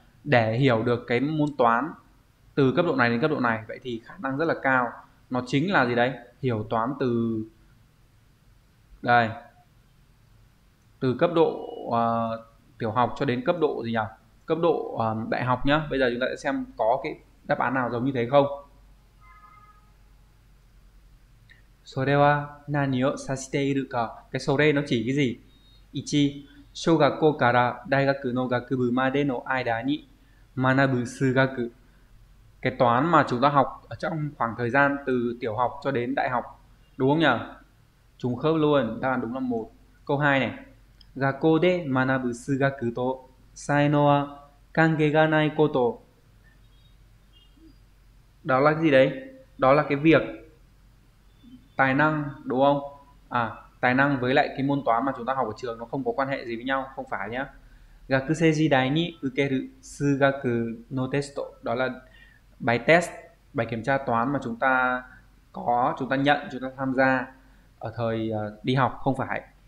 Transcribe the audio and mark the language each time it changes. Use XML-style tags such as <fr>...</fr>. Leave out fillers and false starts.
<vi>Để hiểu được cái môn toán từ cấp độ này đến cấp độ này, vậy thì khả năng rất là cao nó chính là gì đấy? Hiểu toán từ đây, từ cấp độ tiểu học cho đến cấp độ gì nhỉ? Cấp độ đại học nhá. Bây giờ chúng ta sẽ xem có cái đáp án nào giống như thế không.</vi> <ja>それは何を指しているか。</ja> <vi>cái それ nó chỉ cái gì? 1.</vi> <ja>小学校から大学の学部までの間に学ぶ数学。</ja> <vi>cái toán mà chúng ta học ở trong khoảng thời gian từ tiểu học cho đến đại học, đúng không nhỉ? Trùng khớp luôn, đáp án đúng là 1. Câu 2 này.</vi> <ja>学校で学ぶ数学と才能は関係がないこと。</ja> <vi>đó là cái gì đấy? Đó là cái việc tài năng, đúng không? À, tài năng với lại cái môn toán mà chúng ta học ở trường nó không có quan hệ gì với nhau, không phải nhá.</vi> <ja>Gakusei jidai ni ukeru sugaku no testo,</ja> <vi>đó là bài test, bài kiểm tra toán mà chúng ta nhận, chúng ta tham gia ở thời đi học, không phải.</vi>